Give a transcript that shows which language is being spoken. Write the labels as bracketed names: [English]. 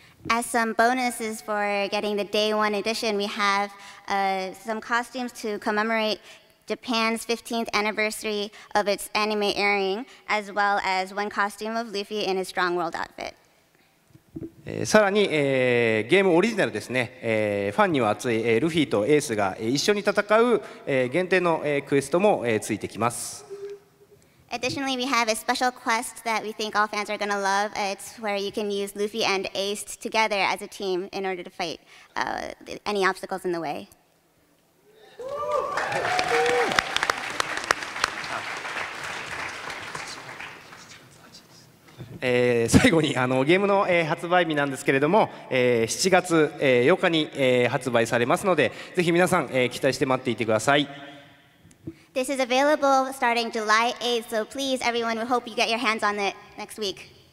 [English] As some bonuses for getting the day one edition, we have some costumes to commemorate Japan's 15th anniversary of its anime airing, as well as one costume of Luffy in his Strong World outfit. [Japanese] さらに、ゲームオリジナルですね、ファンには熱い、ルフィとエースが一緒に戦う、限定の、クエストも、ついてきます。 [English] Additionally, we have a special quest that we think all fans are going to love. It's where you can use Luffy and Ace together as a team in order to fight any obstacles in the way. [Japanese] 最後にあのゲームの、発売日なんですけれども、7月、8日に、発売されますので、ぜひ皆さん、期待して待っていてください。 [English] This is available starting July 8th, so please, everyone, we hope you get your hands on it next week.